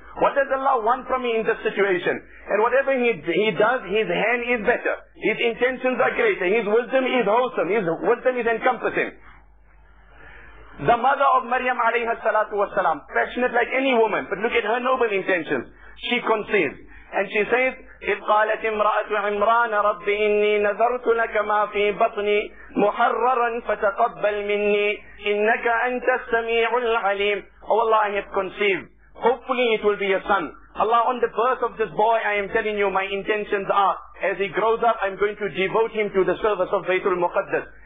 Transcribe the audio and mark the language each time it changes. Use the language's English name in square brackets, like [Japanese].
[English] What does Allah want from me in this situation? And whatever he does, his hand is better. His intentions are greater. His wisdom is wholesome. His wisdom is encompassing. The mother of Maryam alayhi salatu wasalam, passionate like any woman, but look at her noble intentions. She conceives. And she says, [Arabic] إِذْ قَالَتْ إِمْرَأَةُ عِمْرَانَ رَبِّ إِنِّي نَذَرْتُ لَكَ مَا فِي بَطْنِي مُحَرَّرًا فَتَقَبَّلْ مِنِّي إِنَّكَ أَنْتَ السَّمِيعُ الْعَلِيمُ. [English] Oh Allah, I have conceived. Hopefully it will be a son. Allah, on the birth of this boy, I am telling you my intentions are, as he grows up, I'm going to devote him to the service of Baytul Muqaddas.